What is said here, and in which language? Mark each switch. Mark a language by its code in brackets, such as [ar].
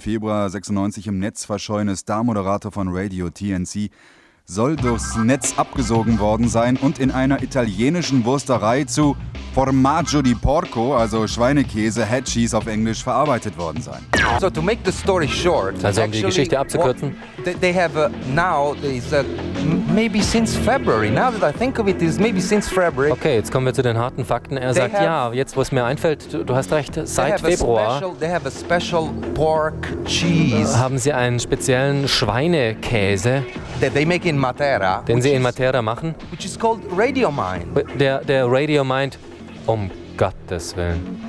[de] Februar 96 im Netz verschollene Star-Moderator von Radio TNC, soll durchs Netz abgesogen worden sein und in einer italienischen Wursterei zu Formaggio di Porco, also Schweinekäse, Headcheese auf Englisch, verarbeitet worden sein. [en] So to make the story short, [de] also um die Geschichte abzukürzen. [en] They have now, maybe since February, now that I think of it, is maybe since February. [de] Okay, jetzt kommen wir zu den harten Fakten. Er sagt, ja, jetzt, wo es mir einfällt, du hast recht, seit Februar. [en] They have a special pork cheese. [de] Haben sie einen speziellen Schweinekäse. [en] They make in Matera, [de] den sie in Matera machen. [en] Which is called Radio Mind. [de] Der Radio Mind, um Gottes Willen.